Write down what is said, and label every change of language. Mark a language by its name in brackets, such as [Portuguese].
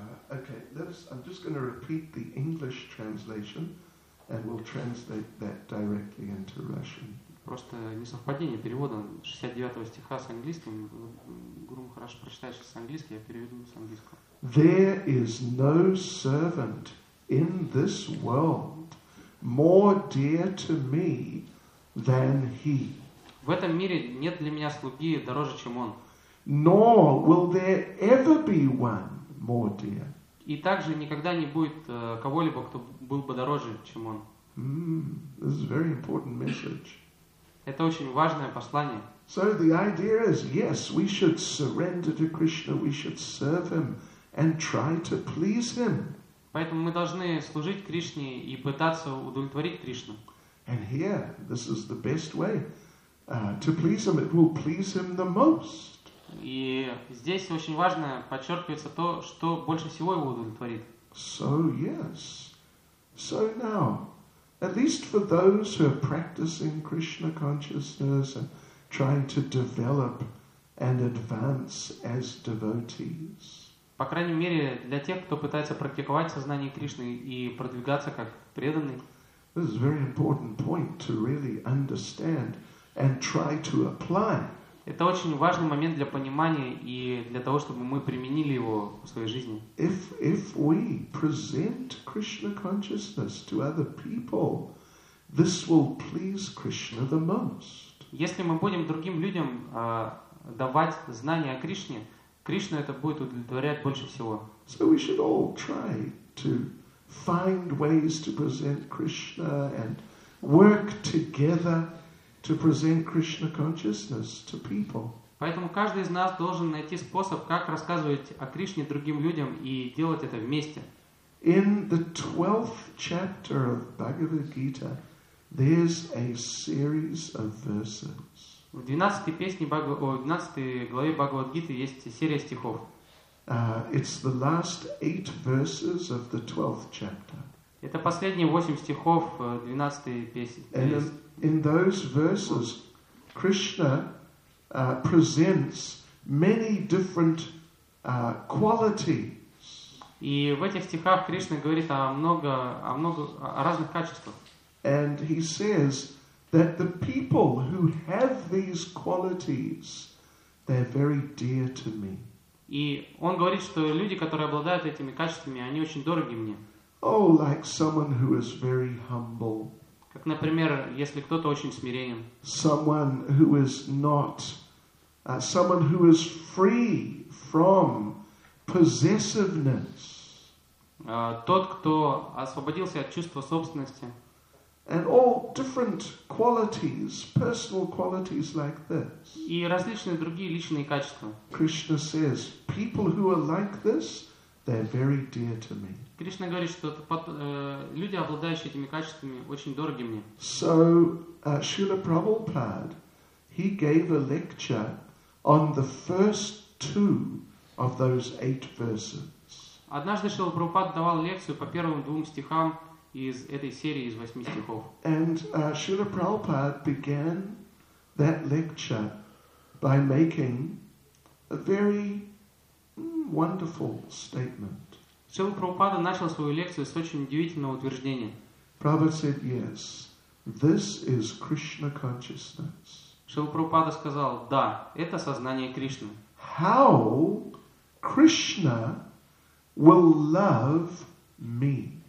[English] Okay, I'm just going to repeat the English translation and we'll translate that directly into Russian. [Russian] Просто несовпадение перевода 69 стиха с английским. Гурум, хорошо, прочитай сейчас с английского, я переведу с английского. [English] There is no servant in this world more dear to me than he. [Russian] В этом мире нет для меня слуги дороже, чем он. [English] Nor will there ever be one more dear. [Russian] И также никогда не будет кого-либо, кто был бы дороже, чем он. [English] This is a very important message. [Russian] Это очень важное послание. [English] So the idea is, yes, we should surrender to Krishna, we should serve him and try to please him. [Russian] Поэтому мы должны служить Кришне и пытаться удовлетворить Кришну. [English] And here, this is the best way to please him. It will please him the most. [Russian] И здесь очень важно подчеркивается то, что больше всего его удовлетворит. [English] So yes. So now, at least for those who are practicing Krishna consciousness and trying to develop and advance as devotees. [Russian] По крайней мере, для тех, кто пытается практиковать сознание Кришны и продвигаться как преданный. [English] This is a very important point to really understand and try to apply. [Russian] Это очень важный момент для понимания и для того, чтобы мы применили его в своей жизни. [English] If we present Krishna consciousness to other people, this will please Krishna the most. [Russian] Если мы будем другим людям давать знания о Кришне, Кришну это будет удовлетворять больше всего. [English] So we should all try to find ways to present Krishna and work together to present Krishna consciousness to people. [Russian] Поэтому каждый из нас должен найти способ, как рассказывать о Кришне другим людям и делать это вместе. [English] In the 12th chapter of Bhagavad Gita, there's a series of verses. [Russian] В 12 песне Бхагавад, 12 главе Бхагавад Гиты есть серия стихов. [English] It's the last 8 verses of the 12th chapter. [Russian] Это последние 8 стихов 12 песни. [English] In those verses, Krishna presents many different qualities. [Russian] И в этих стихах Кришна говорит о разных качествах. [English] And he says that the people who have these qualities, they're very dear to me. [Russian] И он говорит, что люди, которые обладают этими качествами, они очень дороги мне. [English] Oh, like someone who is very humble. [Russian] Как, например, если кто-то очень смиренен. [English] Someone who is not, someone who is free from possessiveness. [Russian] Тот, кто освободился от чувства собственности. [English] And all different qualities, personal qualities like this. [Russian] И различные другие личные качества. [English] Krishna says, people who are like this, they're very dear to me. [Russian] Кришна говорит, что люди, обладающие этими качествами, очень дороги мне. [English] So, Srila Prabhupada, he gave a lecture on the first two of those 8 verses. [Russian] Однажды Шрила Прабхупада давал лекцию по первым двум стихам из этой серии, из 8 стихов. [English] And Srila Prabhupada began that lecture by making a very wonderful statement. [Russian] Шрила Прабхупада начал свою лекцию с очень удивительного утверждения. [English] Prabhupada said, yes, this is Krishna consciousness. [Russian] Шрила Прабхупада сказал, да, это сознание Кришны. [English] How Krishna will love me.